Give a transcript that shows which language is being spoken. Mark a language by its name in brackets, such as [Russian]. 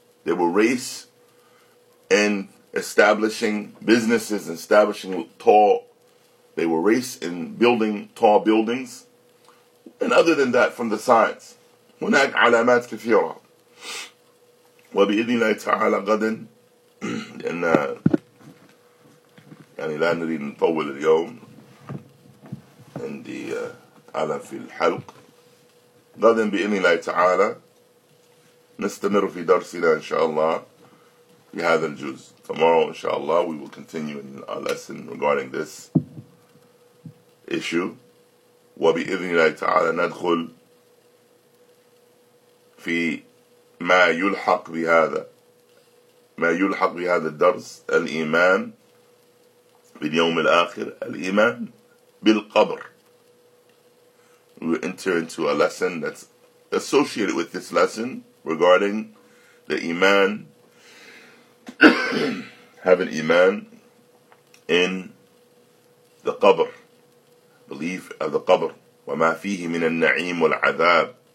[English] They will race in establishing businesses, establishing tall. They will race in building tall buildings. And other than that, from the signs, [Arabic] هناك علامات كثيرة. وبإذن الله تعالى غدا لأن يعني لا نريد نطول اليوم عندي على في الحلق. غدا بإذن الله تعالى نستمر في درسنا إن شاء الله في هذا الجزء. [English] Tomorrow [Arabic] إن شاء الله [English] we will continue in our lesson regarding this issue. [Arabic] وبإذن الله تعالى ندخل في ما يلحق بهذا, ما يلحق بهذا الدرس, الإيمان باليوم الآخر, الإيمان بالقبر. [English] We will enter into a lesson that's associated with this lesson regarding the iman, having iman in the qabr, belief of the qabr, [Arabic] وما فيه من النعيم والعذاب,